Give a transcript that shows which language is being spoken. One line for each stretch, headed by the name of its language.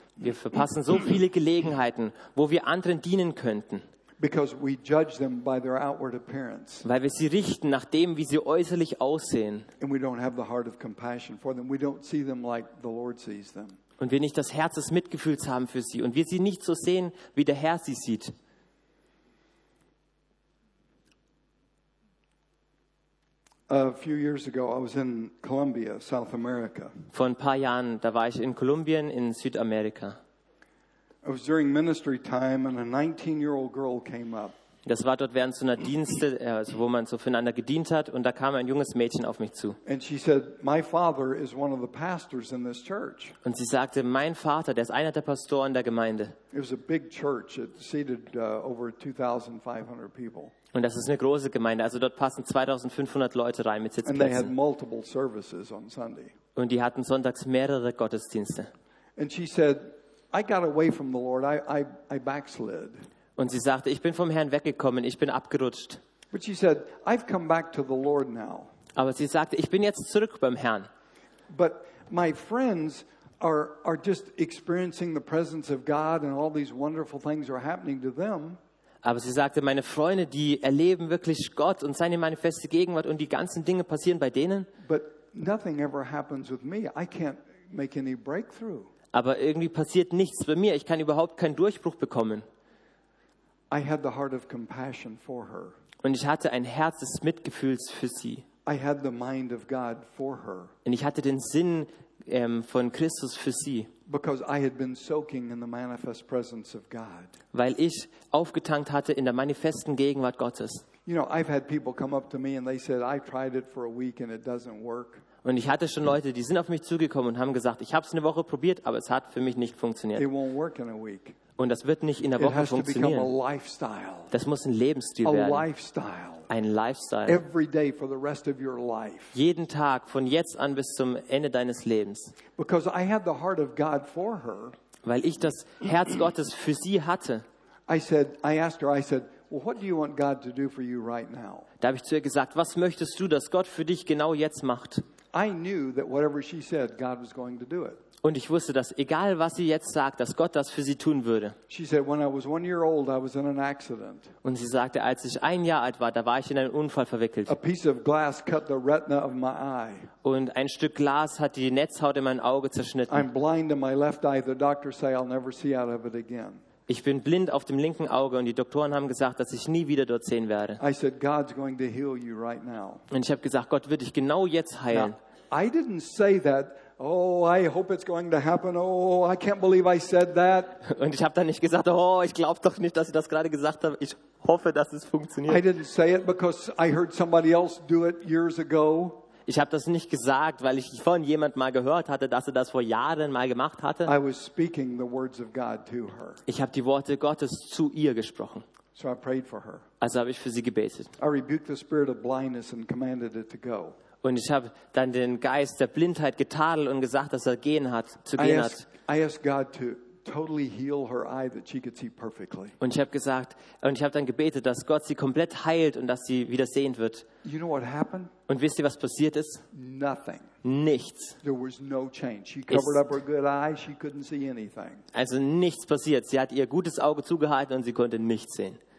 German: Wir verpassen so viele Gelegenheiten, wo wir anderen dienen könnten.
English: Because we judge them by their outward appearance.
German: Weil wir sie richten nach dem, wie sie äußerlich aussehen.
English: And we don't have the heart of compassion for them. We don't see them like the Lord sees them.
German: Und wir nicht das Herz des Mitgefühls haben für sie und wir sie nicht so sehen, wie der Herr sie sieht.
English: A few years ago I was in Colombia, South America.
German: Vor ein paar Jahren, da war ich in Kolumbien in Südamerika.
English: It was during ministry time and a 19-year-old girl came up.
German: Das war dort während so einer Dienste, also wo man so füreinander gedient hat, und da kam ein junges Mädchen auf mich zu.
English: And she said, "My father is one of the pastors in this church."
German: Und sie sagte, mein Vater, der ist einer der Pastoren der Gemeinde.
English: It was a big church. It seated over 2,500 people.
German: Und das ist eine große Gemeinde. Also dort passen 2,500 Leute rein mit Sitzplätzen.
English: And they had multiple services on Sunday.
German: Und die hatten sonntags mehrere Gottesdienste.
English: And she said, "I got away from the Lord. I backslid."
German: Und sie sagte, ich bin vom Herrn weggekommen, ich bin abgerutscht.
English: But she said, "I've come back to the Lord now."
German: Aber sie sagte, ich bin jetzt zurück beim Herrn.
English: But my friends are just experiencing the presence of God and all these wonderful things are happening to them.
German: Aber sie sagte, meine Freunde, die erleben wirklich Gott und seine manifeste Gegenwart und die ganzen Dinge passieren bei denen.
English: But nothing ever happens with me. I can't make any breakthrough.
German: Aber irgendwie passiert nichts bei mir. Ich kann überhaupt keinen Durchbruch bekommen.
English: I had the heart of compassion for her.
German: Und ich hatte ein Herz des Mitgefühls für sie.
English: I had the mind of God for her.
German: Und ich hatte den Sinn von Christus für sie.
English: Because I had been soaking in the manifest presence of God.
German: Weil ich aufgetankt hatte in der manifesten Gegenwart Gottes.
English: You know, I've had people come up to me and they said, "I tried it for a week and it doesn't work."
German: Und ich hatte schon Leute, die sind auf mich zugekommen und haben gesagt, ich habe es eine Woche probiert, aber es hat für mich nicht funktioniert.
English: It won't work in a week.
German: Und das wird nicht in der Woche funktionieren. Das muss ein Lebensstil werden. Ein Lifestyle.
English: Every day for the rest of your life.
German: Jeden Tag, von jetzt an bis zum Ende deines Lebens.
English: Because I had the heart of God for her.
German: Weil ich das Herz Gottes für sie hatte.
English: I asked her, well, what do you want God to do for you right now?
German: Da habe ich zu ihr gesagt, was möchtest du, dass Gott für dich genau jetzt macht?
English: I knew that whatever she said, God was going to do it.
German: Und ich wusste, dass egal was sie jetzt sagt, dass Gott das für sie tun würde.
English: She said, when I was 1 year old, I was in an accident.
German: Und sie sagte, als ich 1 Jahr alt war, da war ich in einen Unfall verwickelt.
English: A piece of glass cut the retina of my eye.
German: Und ein Stück Glas hat die Netzhaut in mein Auge zerschnitten.
English: I'm blind in my left eye. The doctors say I'll never see out of it again.
German: Ich bin blind auf dem linken Auge und die Doktoren haben gesagt, dass ich nie wieder dort sehen werde.
English: I said, God's going to heal you right now.
German: Und ich habe gesagt, Gott wird dich genau jetzt heilen.
English: Now, I didn't say that. Oh, I hope it's going to happen. Oh, I can't believe I said that.
German: Und ich habe dann nicht gesagt, oh, ich glaube doch nicht, dass ich das gerade gesagt habe. Ich hoffe, dass es funktioniert.
English: I didn't say it because I heard somebody else do it years ago.
German: Ich habe das nicht gesagt, weil ich von jemandem mal gehört hatte, dass er das vor Jahren mal gemacht hatte.
English: I was speaking the words of God to her.
German: Ich habe die Worte Gottes zu ihr gesprochen.
English: So I prayed for her.
German: Also habe ich für sie gebetet.
English: I rebuked the spirit of blindness and commanded it to go.
German: Und ich habe dann den Geist der Blindheit getadelt und gesagt, dass er zu gehen hat.
English: I asked God to totally heal her eye that she could see perfectly.
German: Und ich habe dann gebetet, dass Gott sie komplett heilt und dass sie wieder sehend wird.
English: You know what happened?
German: Und wisst ihr, was passiert ist?
English: Nothing.
German: Nichts.
English: There was no change. She covered up her good eye. She couldn't see anything.
German: Also nichts passiert. Sie hat ihr gutes Auge zugehalten und sie konnte nichts sehen.